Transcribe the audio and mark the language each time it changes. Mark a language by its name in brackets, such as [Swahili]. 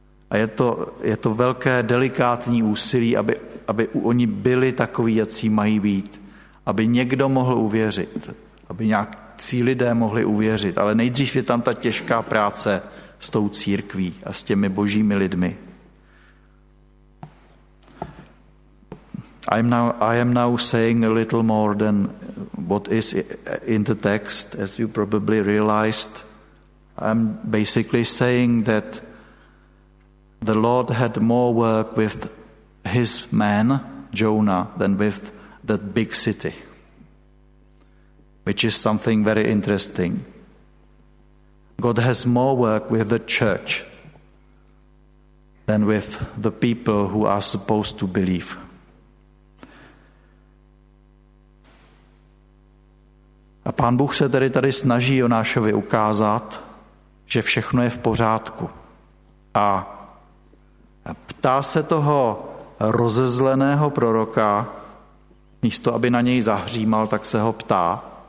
[Czech] A je to velké delikátní úsilí, aby oni byli takoví, jací mají být. Aby někdo mohl uvěřit. Aby nějakí lidé mohli uvěřit. Ale nejdřív je tam ta těžká práce s tou církví a s těmi božími lidmi. [English] I am now saying a little more than what is in the text, as you probably realized. I'm basically saying that the Lord had more work with his man, Jonah, than with that big city, which is something very interesting. God has more work with the church than with the people who are supposed to believe. [Czech] A Pán Bůh se tedy tady snaží Jonášovi ukázat, že všechno je v pořádku. A ptá se toho rozezleného proroka, místo aby na něj zahřímal, tak se ho ptá.